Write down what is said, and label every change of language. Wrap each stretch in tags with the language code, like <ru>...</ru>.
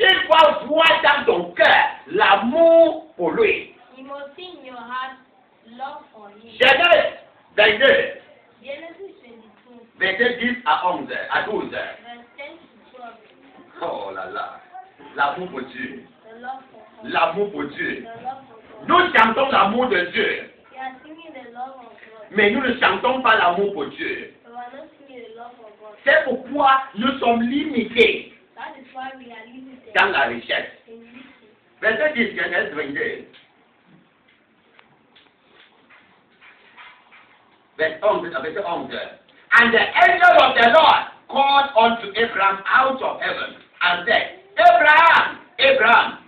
<fr>Il doit voir dans ton cœur l'amour pour lui.</fr> <en>He must see in your heart love for him.</en> <fr>Genèse 22.</fr> <en>Genesis 22.</en> <fr>Verset 10 à 11, à 12. Verset 10 à 12. Oh là là. L'amour pour Dieu.</fr> <en>The love for God.</en> <fr>L'amour pour Dieu. Nous chantons l'amour de Dieu.</fr> <en>We are singing the love of God.</en> <fr>Mais nous ne chantons pas l'amour pour Dieu.</fr> <en>We are not singing the love of God.</en> <fr>C'est pourquoi nous sommes limités.</fr> <en>That is why we are limited.</en> <fr>Dans la richesse. Verset 10, Genèse 22.</fr> <en>And the angel of the Lord called unto Abraham out of heaven and said, Abraham, Abraham.</en>